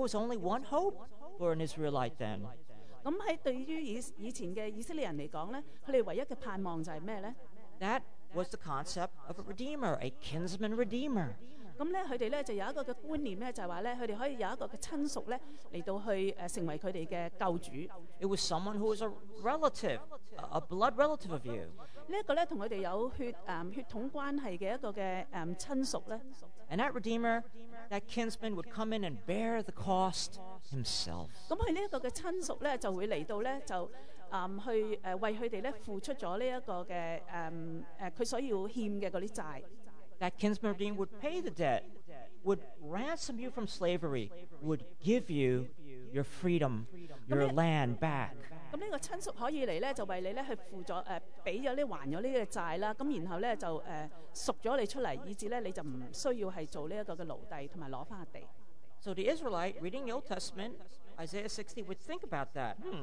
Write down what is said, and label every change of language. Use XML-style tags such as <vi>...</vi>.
<en>was only one hope for an Israelite then.</en> <yue>咁喺對於以前嘅以色列人嚟講咧，佢哋唯一嘅盼望就係咩咧？</yue> <en>That was the concept of a redeemer, a kinsman redeemer.</en> <yue>咁咧，佢哋咧就有一個嘅觀念咧，就係話咧，佢哋可以有一個嘅親屬咧嚟到去成為佢哋嘅救主。</yue> <en>It was someone who was a relative, a blood relative of you.</en> <yue>呢一個咧同佢哋有血統關係嘅一個嘅親屬咧。</yue> <en>And that redeemer, that kinsman would come in and bear the cost himself.</en> <yue>咁佢呢一個嘅親屬咧就會嚟到咧就。去為佢哋咧付出咗呢一個嘅佢所要欠嘅嗰啲債。</yue> <en>That kinsman redeemer would pay the debt, would ransom you from slavery, would give you your freedom, your land back.</en> <yue>咁呢個親屬可以嚟咧，就為你咧去付咗俾咗咧還咗呢個債啦。咁然後咧就贖咗你出嚟，以致咧你就唔需要係做呢一個嘅奴隸，同埋攞翻地。</yue> <en>So the Israelite reading the Old Testament, Isaiah 60, would think about that.</en>